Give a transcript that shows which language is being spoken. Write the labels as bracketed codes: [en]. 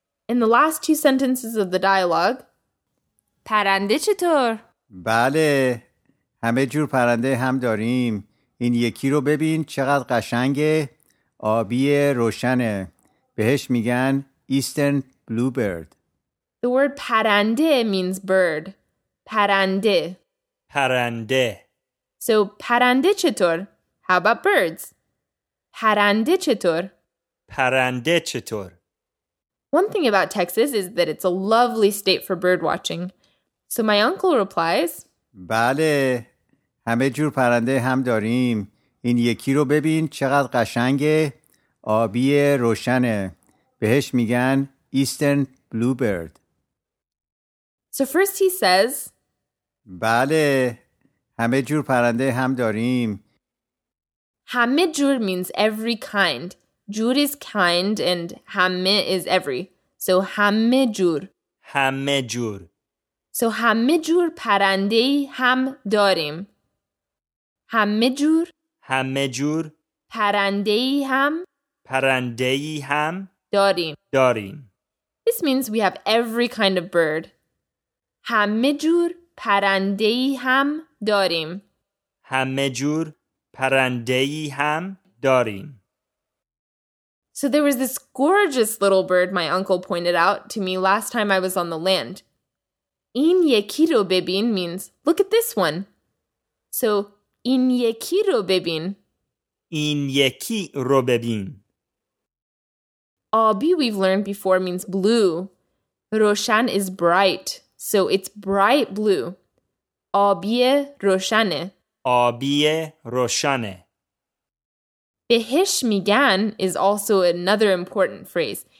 [en] In the last two sentences of the dialogue, [fa] پرنده چطور؟ بله، همه جور پرنده هم داریم. این یکی رو ببین چقدر قشنگه، آبی روشنه. بهش میگن ایسترن بلوبرد. [en] The word پرنده means bird. [fa] پرنده. پرنده. So پرنده چطور? [en] How about birds? [fa] پرنده چطور? پرنده چطور? [en] One thing about Texas is that it's a lovely state for bird watching. So my uncle replies, [fa] بله، همه جور پرنده هم داریم. این یکی رو ببین چقدر قشنگه، آبی روشنه. بهش میگن Eastern Bluebird. [en] So first he says, [fa] بله، همه جور پرنده هم داریم. [en] همه جور means every kind. جور is kind and همه is every. [fa] So همه جور. همه جور. So همه جور پرنده هم داریم. همه جور. همه جور. پرنده هم. پرنده هم. داریم. داریم. [en] This means we have every kind of bird. [fa] همه جور پرنده هم داریم. همه جور پرنده هم داریم. [en] So there was this gorgeous little bird my uncle pointed out to me last time I was on the land. [fa] این یکی رو ببین [en] means look at this one. [fa] So این یکی رو ببین. این یکی رو ببین. [en] آبی we've learned before means blue. روشن is bright. So it's bright blue. [fa] آبی روشنه. آبی روشنه. بهش میگن [en] is also another important phrase.